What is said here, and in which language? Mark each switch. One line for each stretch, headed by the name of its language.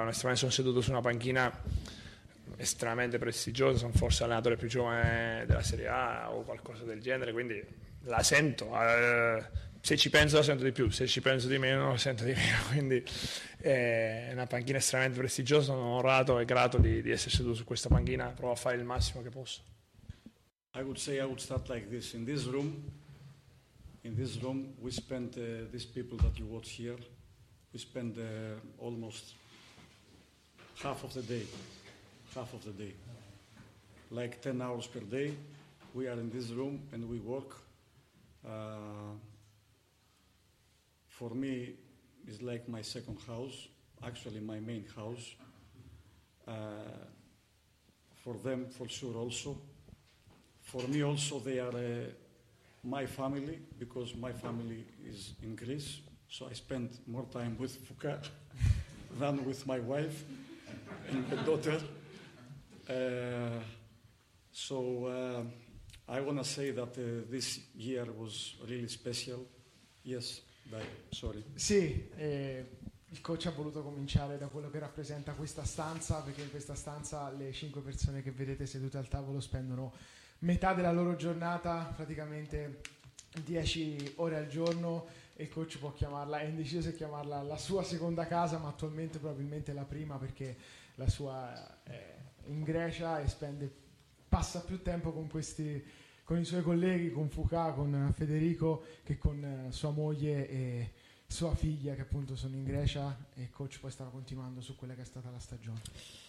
Italian: Onestamente sono seduto su una panchina estremamente prestigiosa, sono forse allenatore più giovane della Serie A o qualcosa del genere, quindi la sento, se ci penso la sento di più, se ci penso di meno la sento di meno, quindi è una panchina estremamente prestigiosa, sono onorato e grato di essere seduto su questa panchina, provo a fare il massimo che posso.
English: I would say I would start like this. In this room we spend these people that you watch here, we spend almost half of the day, like 10 hours per day we are in this room and we work. For me it's like my second house, actually my main house, for them for sure also. For me also they are my family, because my family is in Greece, so I spend more time with Fouca than with my wife and my daughter. I want to say that this year was really special. Yes, dai, sorry.
Italian: Sì, il coach ha voluto cominciare da quello che rappresenta questa stanza, perché in questa stanza le 5 persone che vedete sedute al tavolo spendono metà della loro giornata, praticamente 10 ore al giorno, e il coach può chiamarla, è indeciso se chiamarla la sua seconda casa, ma attualmente probabilmente la prima, perché la sua è in Grecia e passa più tempo con i suoi colleghi, con Fouca, con Federico, che con sua moglie e sua figlia, che appunto sono in Grecia, e il coach poi stava continuando su quella che è stata la stagione.